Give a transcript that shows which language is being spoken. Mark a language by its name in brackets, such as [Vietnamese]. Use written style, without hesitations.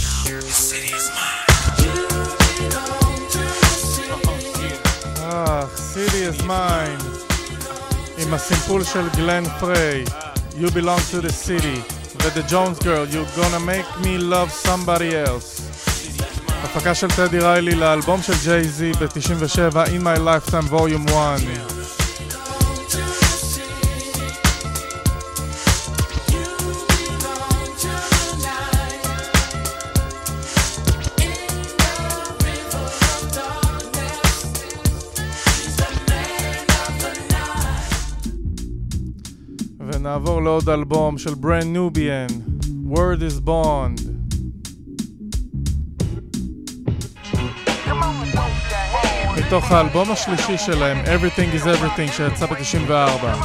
[English] The city is mine. City is mine. [Hebrew] עם הסימפול של גלן פריי, You Belong to the City, ו-The Jones Girl, You're Gonna Make Me Love Somebody Else. הפקה של טדי ריילי לאלבום של ג'יי-זי ב-97, In My Lifetime Volume 1. נעבור לעוד אלבום של Brand Nubian, Word is Bond. מתוך האלבום השלישי שלהם, Everything is Everything, שיצא ב-94.